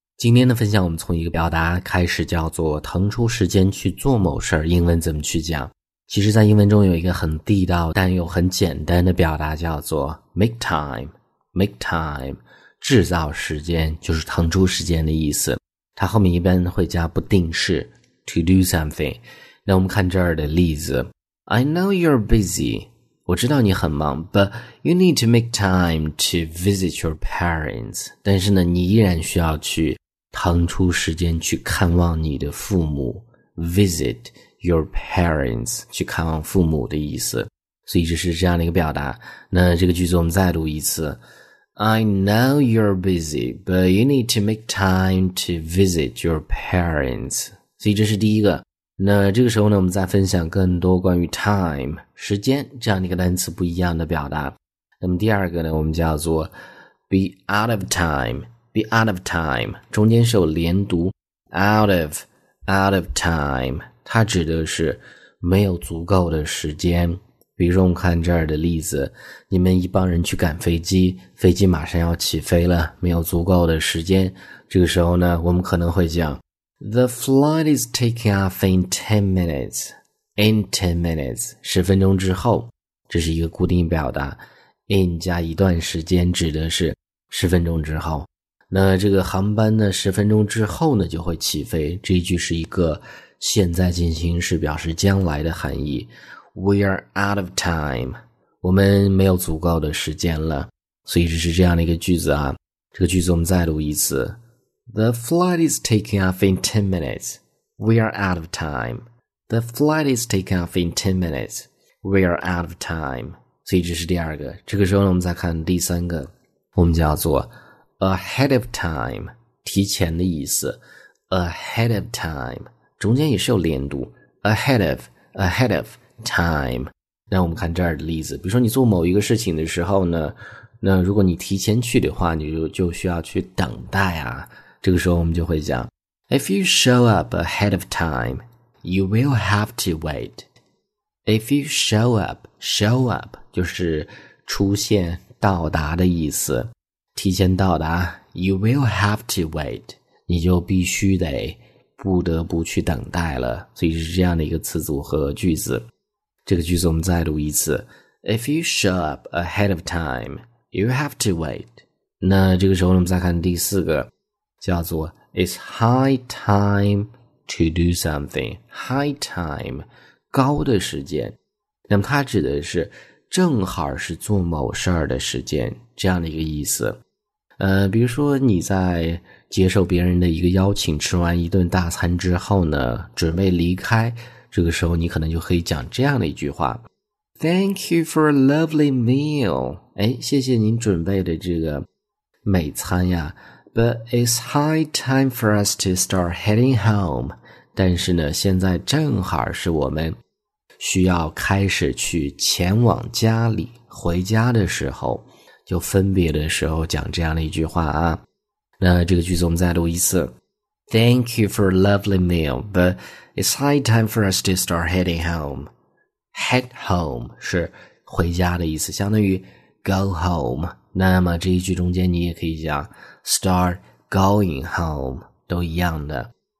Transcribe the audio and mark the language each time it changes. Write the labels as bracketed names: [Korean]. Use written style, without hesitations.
[Chinese] 今天的分享我们从一个表达开始，叫做腾出时间去做某事，英文怎么去讲。其实在英文中有一个很地道但又很简单的表达，叫做 make time， 制造时间，就是腾出时间的意思。它后面一般会加不定式 to do something。 [English] 那我们看这儿的例子， I know you're busy， [Chinese] 我知道你很忙， [English] but you need to make time to visit your parents. [Chinese] 但是呢，你依然需要去腾出时间去看望你的父母。 visit your parents， 去看望父母的意思。所以这是这样的一个表达。那这个句子我们再读一次。 [English] I know you're busy, but you need to make time to visit your parents. [Chinese] 所以这是第一个。那这个时候呢，我们再分享更多关于 time 时间这样的一个单词不一样的表达。那么第二个呢，我们叫做 be out of time， 中间是有连读 out of time， 它指的是没有足够的时间。比如说我们看这儿的例子，你们一帮人去赶飞机，飞机马上要起飞了，没有足够的时间。这个时候呢，我们可能会讲 [English] The flight is taking off in 10 minutes. [Chinese] In 10 minutes, 10分钟之后，这是一个固定表达。 In 加一段时间指的是10分钟之后。那这个航班呢，10分钟之后呢就会起飞。这一句是一个现在进行时，表示将来的含义。 [English] We are out of time. [Chinese] 我们没有足够的时间了。所以这是这样的一个句子啊。这个句子我们再读一次。 [English] The flight is taking off in 10 minutes. We are out of time. The flight is taking off in 10 minutes. We are out of time. [Chinese] 所以这是第二个。这个时候呢，我们再看第三个。我们叫做 ahead of time， 提前的意思。 ahead of time， 中间也是有连读。 ahead of time。 那我们看这儿的例子。比如说你做某一个事情的时候呢，那如果你提前去的话，你就需要去等待啊。 [English] 这个时候我们就会讲 If you show up ahead of time, you will have to wait. If you show up [Chinese] 就是出现到达的意思，提前到达， [English] you will have to wait， [Chinese] 你就必须得不得不去等待了。所以是这样的一个词组和句子。这个句子我们再读一次。 [English] If you show up ahead of time, you have to wait. [Chinese] 那这个时候我们再看第四个，叫做 [English] It's high time to do something. [Chinese] High time， 高的时间。那么它指的是正好是做某事儿的时间，这样的一个意思。比如说你在接受别人的一个邀请，吃完一顿大餐之后呢，准备离开，这个时候你可能就可以讲这样的一句话。 [English] Thank you for a lovely meal. [Chinese] 哎，谢谢您准备的这个美餐呀。 [English] But it's high time for us to start heading home. [Chinese] 但是呢，现在正好是我们需要开始去前往家里，回家的时候，就分别的时候讲这样的一句话啊。那这个句子我们再读一次。 [English] Thank you for a lovely meal, but it's high time for us to start heading home. [Chinese] Head home 是回家的意思，相当于 go home。那么这一句中间你也可以讲 start going home， 都一样的。